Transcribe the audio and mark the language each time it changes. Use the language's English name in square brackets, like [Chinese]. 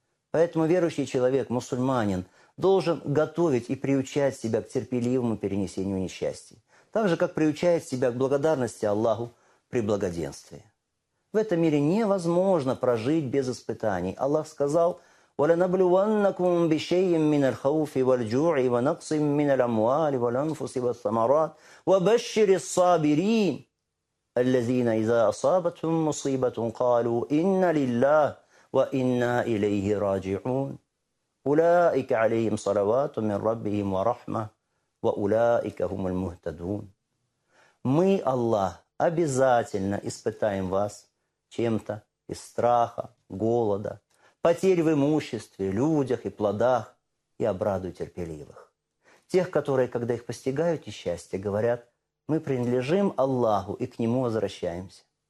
[Russian] Поэтому верующий человек, мусульманин, должен готовить и приучать себя к терпеливому перенесению несчастья, так же, как приучает себя к благодарности Аллаху при благоденствии. В этом мире невозможно прожить без испытаний. Аллах сказал: [Arabic] «Валянаблюваннакум бишейем минархауфи вальджуи ванаксим миналямуали валянфуси вассамарат вабащири сабирин». الذين إذا أصابتهم مصيبة قالوا إن لله وإنا إليه راجعون أولئك عليهم صلوات من ربهم ورحمة وأولئك هم المهتدون. [Russian] Мы, Аллах, обязательно испытаем вас чем-то из страха, голода, потерь в имуществе, людях и плодах, и обрадуй терпеливых. Тех, которые, когда их постигают несчастье, говорят: мы принадлежим Аллаху и к Нему возвращаемся.